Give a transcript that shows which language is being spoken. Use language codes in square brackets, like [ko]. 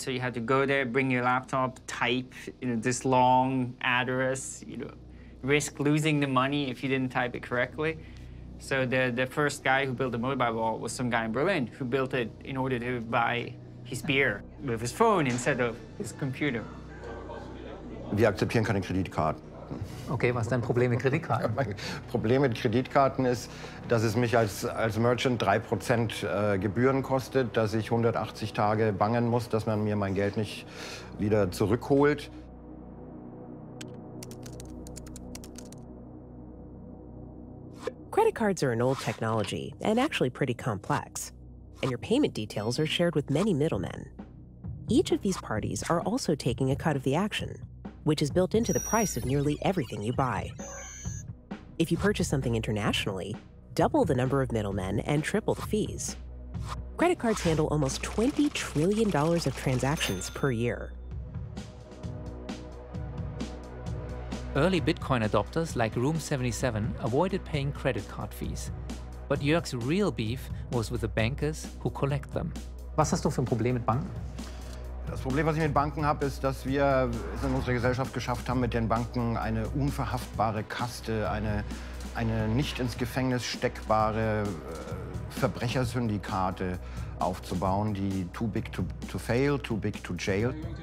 [en] So you had to go there, bring your laptop, type, you know, this long address, you know, risk losing the money if you didn't type it correctly. So the first guy who built the mobile wallet was some guy in Berlin who built it in order to buy his beer with his phone instead of his computer. [de] Wir akzeptieren keine Kreditkarten. Okay, was ist dein Problem mit Kreditkarten? Mein Problem mit Kreditkarten ist, dass es mich als Merchant 3% Gebühren kostet, dass ich 180 Tage bangen muss, dass man mir mein Geld nicht wieder zurückholt. [en] Credit cards are an old technology and actually pretty complex. And your payment details are shared with many middlemen. Each of these parties are also taking a cut of the action, which is built into the price of nearly everything you buy. If you purchase something internationally, double the number of middlemen and triple the fees. Credit cards handle almost $20 trillion of transactions per year. Early Bitcoin adopters like Room 77 avoided paying credit card fees. But Jörg's real beef was with the bankers who collect them. [de] Was hast du für ein Problem mit Banken? Das Problem, was ich mit Banken habe, ist, dass wir es in unserer Gesellschaft geschafft haben, mit den Banken eine unverhaftbare Kaste, eine nicht ins Gefängnis steckbare Verbrechersyndikate aufzubauen, die too big to fail, too big to jail.